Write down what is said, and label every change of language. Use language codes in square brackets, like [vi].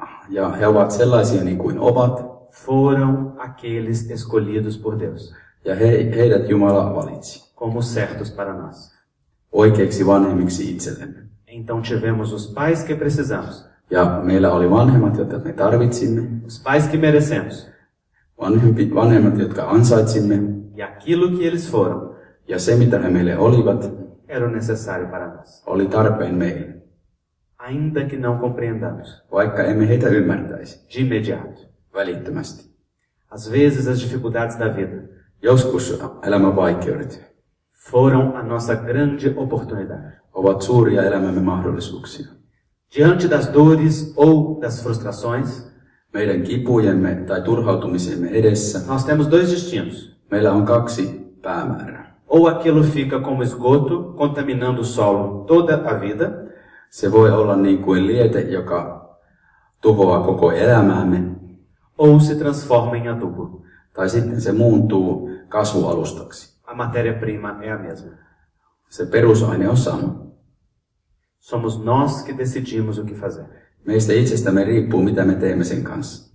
[fi] Ja he ovat sellaisia niin kuin ovat. [pt] Foram aqueles escolhidos por Deus. [fi] Ja heidät Jumala valitsi. [pt] Como certos para nós. [fi] Oikeiksi vanhemmiksi itsellemme. [pt] Então tivemos os pais que precisamos. [fi] Ja meillä oli vanhemmat, jotka me tarvitsimme. [pt] Os pais que merecemos. [fi] Vanhemmat, jotka ansaitsimme. [pt] E aquilo que eles foram. [fi] Ja se, mitä he meille olivat. [pt] Era necessário para nós. [fi] Oli tarpeen meille. [pt] Ainda que não compreendamos. [fi] Vaikka emme heitä ymmärtäisi. [pt] De imediato. [fi] Välittömästi. [pt] Às vezes as dificuldades da vida. [fi] Joskus elämän vaikeudet. [pt] Foram a nossa grande oportunidade. [fi] Ovat suuria elämämme mahdollisuuksia. [pt] Diante das dores ou das frustrações. [fi] Meidän kipujemme tai turhautumisemme edessä. [pt] Nós temos dois destinos. [fi] Meillä on kaksi päämäärää. [pt] Ou aquilo fica como esgoto, contaminando o solo toda a vida. [fi] Se voi olla niin kuin liete, joka tuhoaa koko elämäämme. [pt] Ou se transforma em adubo. [fi] Tai sitten se muuntuu kasvualustaksi. [pt] A matéria prima é a mesma. [fi] Se perusaine on sama. [pt] Somos nós que decidimos o que fazer. [fi] Meistä itsestämme riippuu, mitä me teemme sen kanssa.